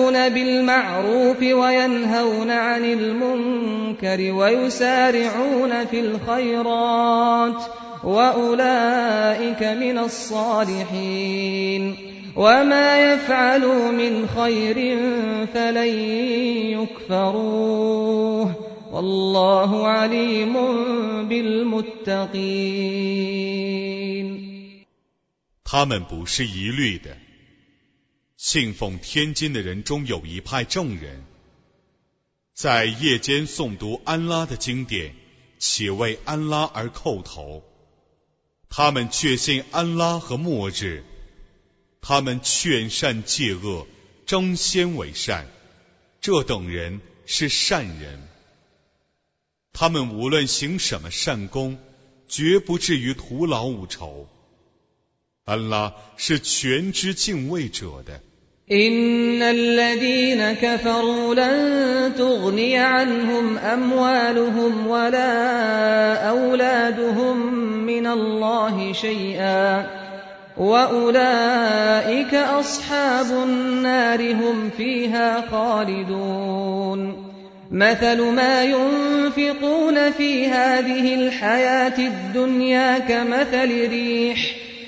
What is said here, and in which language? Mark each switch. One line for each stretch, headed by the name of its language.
Arabic: بالمعروف وينهون عن المنكر ويسارعون في الخيرات وأولئك من الصالحين وما يفعلوا من خير فلن يكفروه والله عليم بالمتقين
Chinese: 他们不是疑虑的，信奉天经的人中有一派证人，在夜间诵读安拉的经典，且为安拉而叩头，他们确信安拉和末日，他们劝善戒恶，争先为善，这等人是善人。他们无论行什么善功，绝不至于徒劳无酬。安拉是全知敬畏者的。
Arabic: إن الذين كفروا لن تغني عنهم أموالهم ولا أولادهم من الله شيئا وأولئك أصحاب النار هم فيها خالدون مثل ما ينفقون في هذه الحياة الدنيا كمثل ريح